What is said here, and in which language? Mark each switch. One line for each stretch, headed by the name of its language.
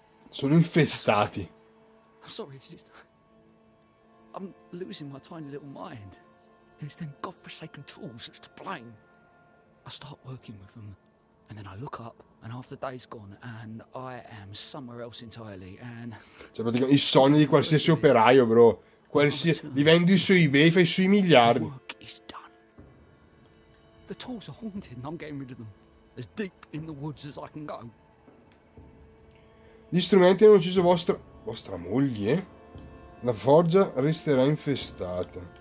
Italian: Sono infestati.
English: I'm sorry, it's just... I'm losing my tiny little mind. And it's them godforsaken tools that's to blame. I start working with them. And then I look up, and half the day's gone, and I am somewhere else entirely, and...
Italian: Cioè, praticamente, i sogni di qualsiasi operaio, bro. Qualsiasi... Li vendi su eBay, fai sui miliardi.
English: The work is done. The tools are haunted, and I'm getting rid of them. As deep in the woods as I can go.
Italian: Gli strumenti hanno ucciso vostra moglie? La forgia resterà infestata.